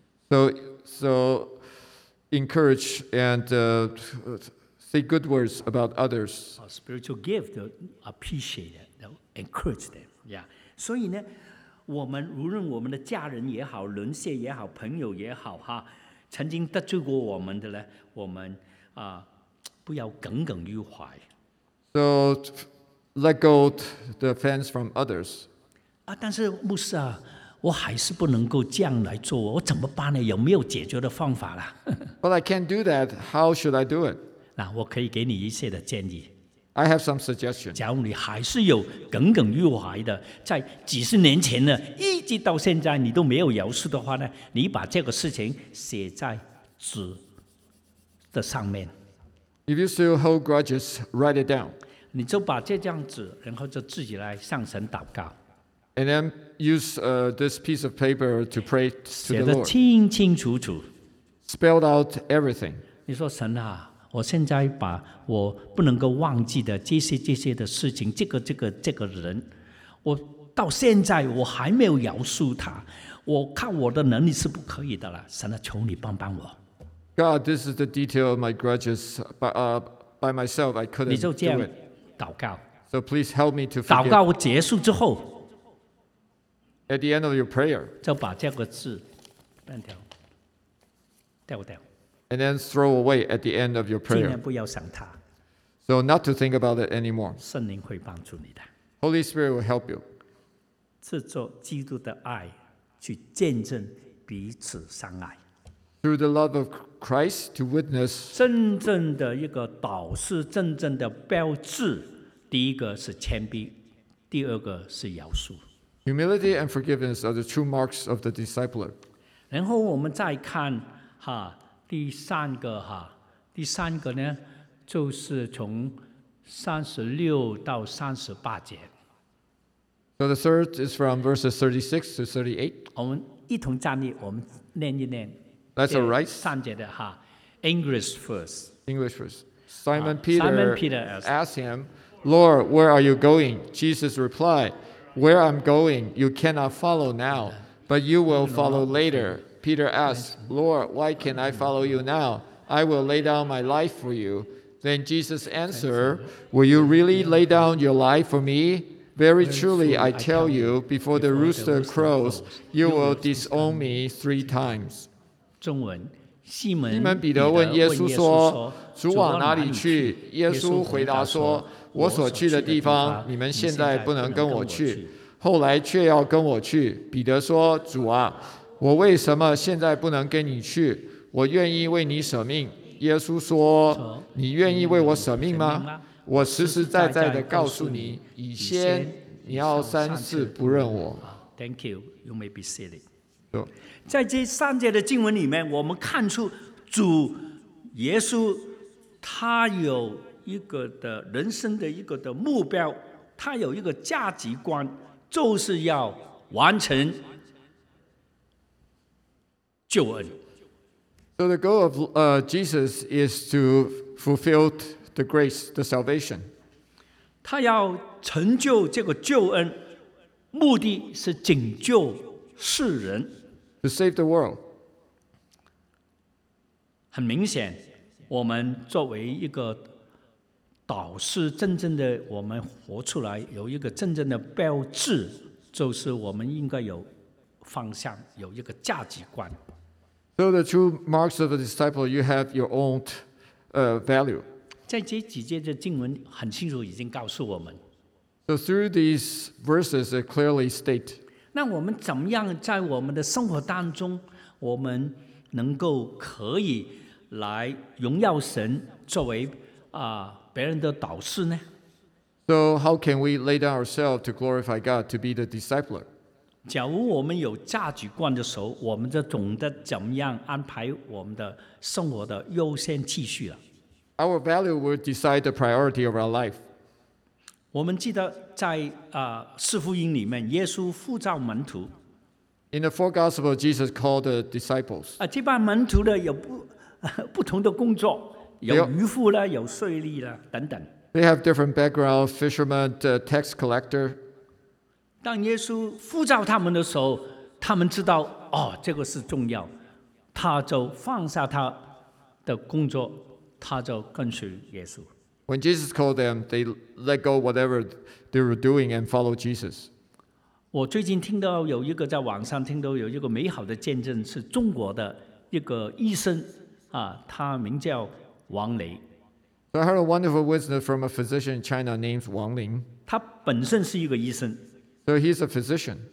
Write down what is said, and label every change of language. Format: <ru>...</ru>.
<en>So encourage and say good words about others. A spiritual gift, appreciate it, encourage them. Yeah.</en> <zh>所以呢，我们无论我们的家人也好，邻舍也好，朋友也好，哈，曾经得罪过我们的呢，我们不要耿耿于怀。</zh> <en>So. Let go the offense from others.</en> <zh>啊，但是牧师啊，我还是不能够这样来做，我怎么办呢？有没有解决的方法了？</zh> <en>But I can't do that. How should I do it?</en> <zh>那我可以给你一些的建议。</zh> <en>I have some suggestion.</en> <zh>假如你还是有耿耿于怀的，在几十年前呢，一直到现在你都没有饶恕的话呢，你把这个事情写在纸的上面。</zh> <en>If you still hold grudges, write it down.</en> <zh>你就把这张纸，然后就自己来向神祷告。</zh> <en>And then use this piece of paper to pray to the Lord.</en> <zh>写得清清楚楚。</zh> <en>Spelled out everything.</en> <zh>你说神啊，我现在把我不能够忘记的这些的事情，这个人，我到现在我还没有饶恕他，我靠我的能力是不可以的了。神啊，求你帮帮我。</zh> <en>God, this is the detail of my grudges. By myself, I couldn't do it.</en> <zh>祷告。</zh> <en>So please help me to.</en> <zh>祷告结束之后</zh> <en>，at the end of your prayer，</en> <zh>就把这个字半条丢掉。</zh> <en>And then throw away at the end of your prayer。</en> <zh>尽量不要想它。</zh> <en>So not to think about it anymore。</en> <zh>圣灵会帮助你的。</zh> <en>Holy Spirit will help you。</en> <zh>借着基督的爱去见证彼此相爱。</zh> <en>Through the love of Christ to witness.</en> <zh>真正的一个导师，真正的标志，第一个是谦卑，第二个是饶恕。</zh> <en>Humility and forgiveness are the true marks of the discipler.</en> <zh>然后我们再看哈第三个哈，第三个呢，就是从36-38节。</zh> <en>So the third is from verses 36-38.</en> <zh>我们一同站立，我们念一念。</zh> <en>That's all right.</en> <zh>三节的哈 ，</zh> <en>English first. English first. Simon Peter asked him, "Lord, where are you going?" Jesus replied, "Where I'm going, you cannot follow now, but you will follow later." Peter asked, "Lord, why can't I follow you now? I will lay down my life for you." Then Jesus answered, Will you really lay down your life for me? Very truly, I tell you, before the rooster crows, you will disown me three times.</en> <zh>中文西门彼得问耶稣说，主往哪里去？耶稣回答说，我所去的地方，你们现在不能跟我去，后来却要跟我去。彼得说，主啊，我为什么现在不能跟你去？我愿意为你舍命。耶稣说，你愿意为我舍命吗？我实实在在的告诉你，以先你要三次不认我。</zh> <en>Thank you, you may be seated.</en> <zh>在这三节的经文里面，我们看出主耶稣他有一个的人生的一个的目标，他有一个价值观，就是要完成救恩。</zh> <en>So the goal of Jesus is to fulfill the grace, the salvation.</en> <zh>他要成就这个救恩，目的是拯救世人。</zh> <en>To save the world.</en> <zh>很明显，我们作为一个导师，真正的我们活出来有一个真正的标志，就是我们应该有方向，有一个价值观。</zh> <en>So the true marks of a disciple, you have your own value.</en> <zh>在这几节的经文很清楚已经告诉我们。</zh> <en>So through these verses, it clearly state.</en> <zh>那我们怎么样在我们的生活当中，我们能够可以来荣耀神，作为别人的导师呢？</zh> <en>So how can we lay down ourselves to glorify God, to be the discipler?</en> <zh>假如我们有价值观的时候，我们就懂得怎么样安排我们的生活的优先秩序了。</zh> <en>Our value will decide the priority of our life.</en> <zh>我们记得在四福音里面，耶稣呼召门徒。</zh> <en>In the four gospels, Jesus called the disciples.</en> <zh>这帮门徒的有不同的工作，有渔夫啦，有税吏啦，等等。</zh> <en>They have different backgrounds, fishermen, tax collector.</en> <zh>当耶稣呼召他们的时候，他们知道哦，这个是重要，他就放下他的工作，他就跟随耶稣。</zh> <en>When Jesus called them, they let go whatever they were doing and follow Jesus.</en> <zh>我最近听到有一个在网上听到有一个美好的见证，是中国的一个医生他名叫王雷。</zh> <en>So、I heard a wonderful witness from a physician in China named Wang Lin.</en> <zh>他本身是一个医生。</zh> <en>So he's a physician.</en>